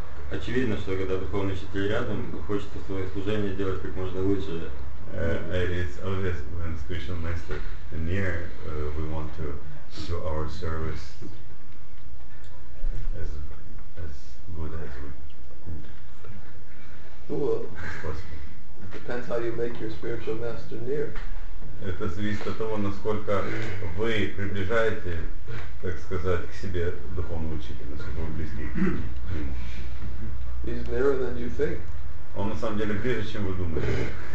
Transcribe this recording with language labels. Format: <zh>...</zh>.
<ru>Очевидно, что когда духовный учитель рядом, хочется свое служение делать как можно лучше.</ru> <en>It's obvious when spiritual master near, we want to do our service as good as we could. Well, it depends how you make your spiritual master near.</en> <ru>Это зависит от того, насколько вы приближаете, так сказать, к себе духовного учителя, насколько вы близки к нему.</ru> <en>He's nearer than you think.</en> <ru>Он на самом деле ближе, чем вы думаете.</ru>